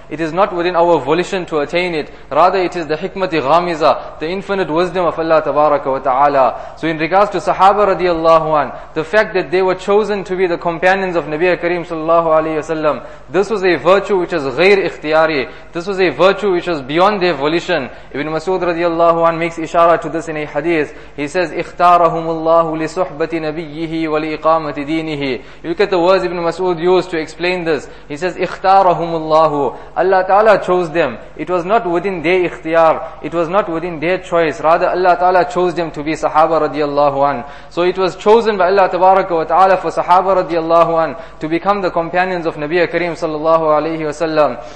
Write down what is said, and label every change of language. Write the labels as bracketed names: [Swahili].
[English] It is not within our volition to attain it. Rather, it is the hikmati ghamiza, the infinite wisdom of Allah tabaraka wa ta'ala. So in regards to Sahaba radiallahu an, the fact that they were chosen to be the companions of Nabiya Kareem sallallahu alayhi wa sallam, this was a virtue which was ghair ikhtiyari. This was a virtue which was beyond their volition. Ibn Mas'ud radiallahu an makes makes ishara to this in a hadith. He says, [Arabic] اِخْتَارَهُمُ اللَّهُ لِصُحْبَةِ نَبِيِّهِ وَلِإِقَامَةِ دِينِهِ. [English] You look at the words Ibn Mas'ud used to explain this. He says, [Arabic] اِخْتَارَهُمُ اللَّهُ. [English] Allah Ta'ala chose them. It was not within their ikhtiyar. It was not within their choice. Rather, Allah Ta'ala chose them to be Sahaba radiallahu anh. So it was chosen by Allah Tabaraka wa Ta'ala for Sahaba radiallahu anh to become the companions of Nabiya Kareem sallallahu alayhi wa sallam.